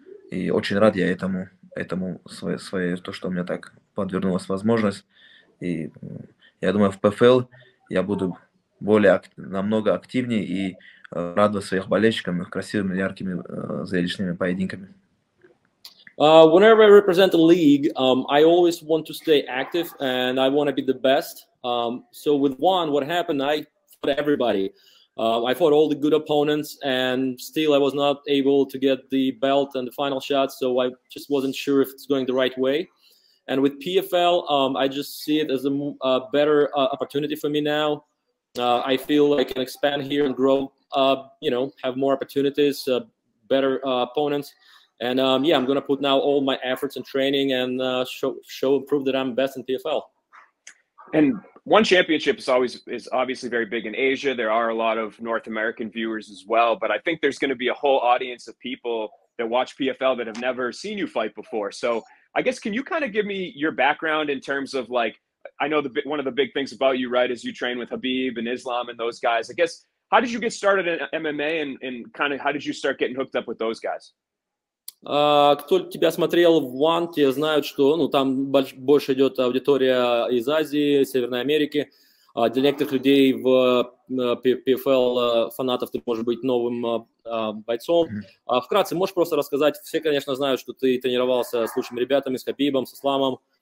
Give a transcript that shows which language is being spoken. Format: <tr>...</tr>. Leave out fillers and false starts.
<ru>И очень рад я этому своей то, что у меня так подвернулась возможность. И я думаю, в PFL я буду более намного активнее и радовать своих болельщиков красивыми, яркими, зрелищными поединками.</ru> <en>Whenever I represent a league, I always want to stay active and I want to be the best. So with ONE, what happened, I fought everybody. I fought all the good opponents and still I was not able to get the belt and the final shot. So I just wasn't sure if it's going the right way. And with PFL, I just see it as a better opportunity for me now. I feel I can expand here and grow, you know, have more opportunities, better opponents. And yeah, I'm going to put now all my efforts and training and show and prove that I'm best in PFL. And ONE Championship is obviously very big in Asia. There are a lot of North American viewers as well. But I think there's going to be a whole audience of people that watch PFL that have never seen you fight before. So I guess, can you kind of give me your background in terms of, like, I know one of the big things about you, right, is you train with Habib and Islam and those guys. I guess, how did you get started in MMA and kind of how did you start getting hooked up with those guys?</en> <ru>Кто тебя смотрел в ONE, те знают, что ну, там больше идет аудитория из Азии, Северной Америки. Для некоторых людей в PFL фанатов ты можешь быть новым бойцом. Вкратце, можешь просто рассказать, все, конечно, знают, что ты тренировался с лучшими ребятами, с Хабибом, с Исламом.</ru>